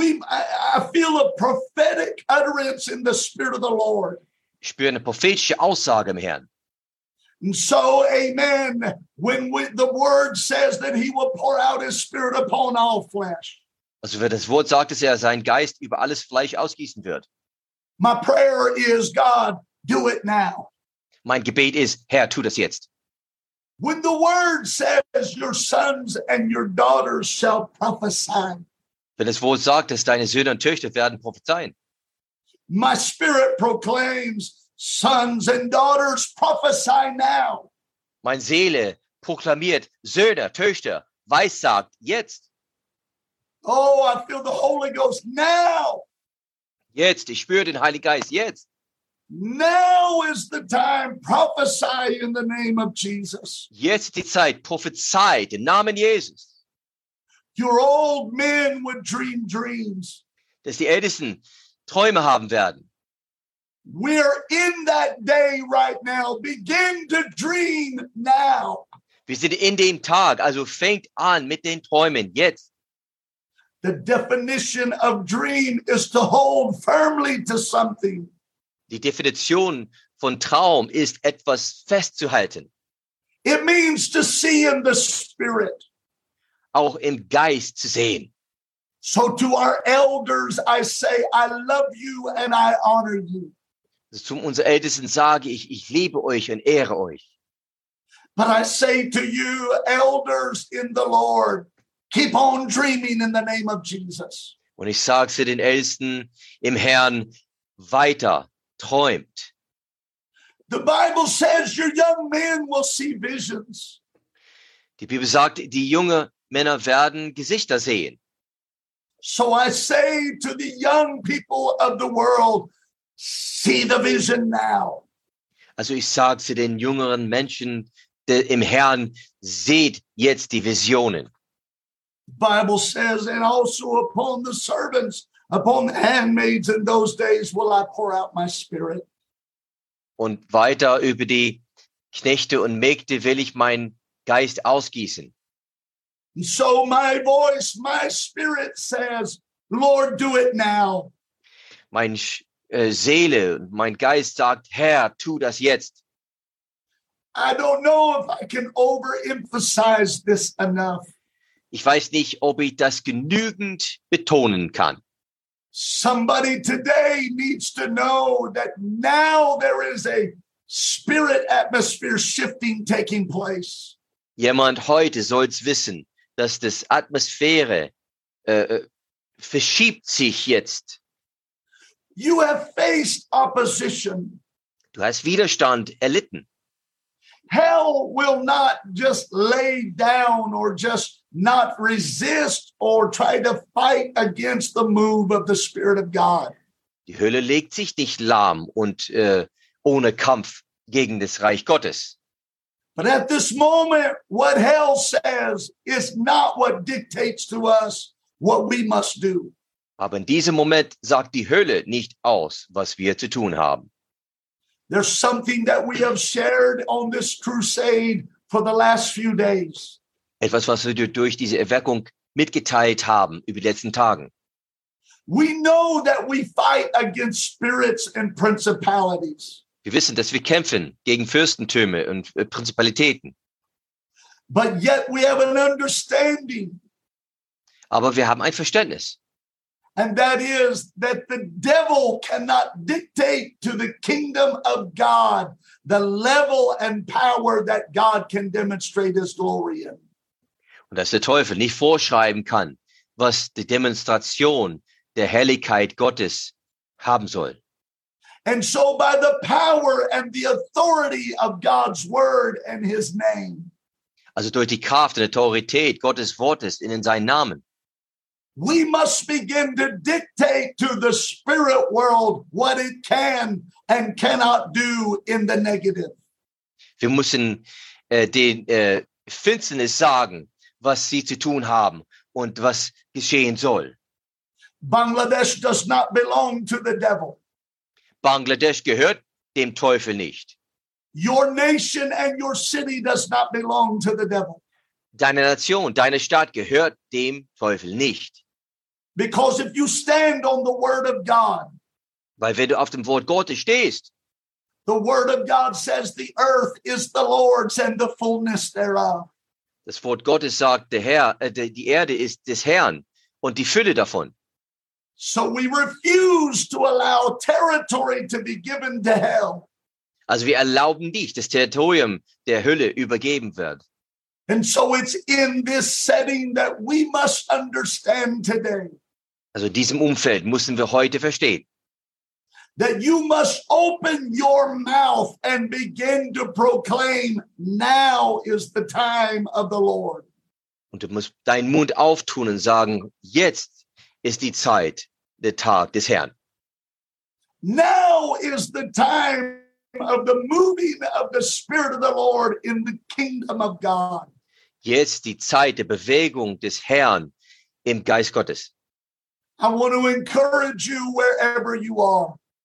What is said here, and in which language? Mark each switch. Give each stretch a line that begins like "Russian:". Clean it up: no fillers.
English: I feel a prophetic utterance in the spirit of the Lord.
German: Ich spüre eine prophetische Aussage im Herrn.
English: And so, amen. When the word says that he will pour out his spirit upon all flesh.
German: Also wenn das Wort sagt, dass er seinen Geist über alles Fleisch ausgießen wird.
English: My prayer is, God, do it now.
German: Mein Gebet ist, Herr, tu das jetzt.
English: When the word says your sons and your daughters shall prophesy.
German: Wenn das Wort sagt, dass deine Söhne und Töchter werden prophezeien.
English: My spirit proclaims, sons and daughters prophesy now.
German: Meine Seele proklamiert, Söhne, Töchter, weissagt jetzt.
English: Oh, I feel the Holy Ghost now.
German: Jetzt, ich spüre den Heiligen Geist jetzt.
English: Now is the time, prophesy in the name of Jesus.
German: Jetzt die Zeit, prophezei den Namen Jesus.
English: Your old men would dream dreams.
German: Dass die Ältesten Träume haben werden.
English: We're in that day right now. Begin to dream now.
German: Wir sind in dem Tag, also fängt an mit den Träumen jetzt.
English: The definition of dream is to hold firmly to something.
German: Die Definition von Traum ist, etwas festzuhalten.
English: It means to see in the spirit.
German: Auch im Geist zu sehen.
English: So to our elders, I say, I love you and I honor you.
German: Zum unser Ältesten sage ich, ich liebe euch und ehre euch.
English: But I say to you, elders in the Lord, keep on dreaming in the name of Jesus.
German: Und ich sage zu den Ältesten im Herrn, weiter träumt.
English: The Bible says your young men will see visions.
German: Die Bibel sagt, die jungen Männer werden Gesichter sehen.
English: So I say to the young people of the world, see the vision now.
German: Also ich sage zu den jüngeren Menschen im Herrn, seht jetzt die Visionen.
English: Bible says, and also upon the servants, upon the handmaids in those days will I pour out my spirit.
German: Und weiter über die Knechte und Mägde will ich meinen Geist ausgießen.
English: And so my voice, my spirit says, Lord, do it now.
German: Mein Seele, mein Geist sagt, Herr, tu das jetzt.
English: I don't know if I can overemphasize this enough.
German: Ich weiß nicht, ob ich das genügend betonen kann.
English: Somebody today needs to know that now there is a spirit atmosphere shifting taking place.
German: Jemand heute soll's wissen, dass das Atmosphäre verschiebt sich jetzt.
English: You have faced opposition.
German: Du hast Widerstand erlitten.
English: Hell will not just lay down or just not resist or try to fight against the move of the Spirit of God.
German: Die Hölle legt sich nicht lahm und ohne Kampf gegen das Reich Gottes.
English: But at this moment, what hell says is not what dictates to us what we must do.
German: Aber in diesem Moment sagt die Hölle nicht aus, was wir zu tun haben.
English: There's something that we have shared on this crusade for the last few days.
German: Etwas, was wir durch diese Erweckung mitgeteilt haben über die letzten Tagen.
English: We know that we fight against spirits and principalities.
German: Wir wissen, dass wir kämpfen gegen Fürstentüme und Prinzipalitäten.
English: But yet we have an understanding.
German: Aber wir haben ein Verständnis.
English: And that is that the devil cannot dictate to the kingdom of God the level and power that God can demonstrate his glory in.
German: Und dass der Teufel nicht vorschreiben kann, was die Demonstration der Herrlichkeit Gottes haben soll.
English: And so by the power and the authority of God's word and his name.
German: Also durch die Kraft und Autorität Gottes Wortes in seinen Namen.
English: We must begin to dictate to the spirit world what it can and cannot do in the negative.
German: Wir müssen Finsternis sagen, was sie zu tun haben und was geschehen soll.
English: Bangladesh does not belong to the devil.
German: Bangladesch gehört dem Teufel nicht.
English: Your nation and your city does not belong to the devil.
German: Deine Nation, deine Stadt gehört dem Teufel nicht.
English: Because if you stand on the word of God,
German: weil wenn du auf dem Wort Gottes stehst,
English: the word of God says the earth is the Lord's and the fullness thereof.
German: Das Wort Gottes sagt, der Herr, die Erde ist des Herrn und die Fülle davon.
English: So we refuse to allow territory to be given to hell.
German: Also wir erlauben nicht, dass Territorium der Hölle übergeben wird.
English: And so it's in this setting that we must understand today.
German: Also in diesem Umfeld müssen wir heute verstehen.
English: That you must open your mouth and begin to proclaim, now is the time of the Lord.
German: Und du musst deinen Mund auftun und sagen, jetzt ist die Zeit, der Tag des Herrn.
English: Now is the time of the moving of the Spirit of the Lord in the kingdom of God.
German: Jetzt die Zeit der Bewegung des Herrn im Geist Gottes.
English: I want to encourage you wherever you are.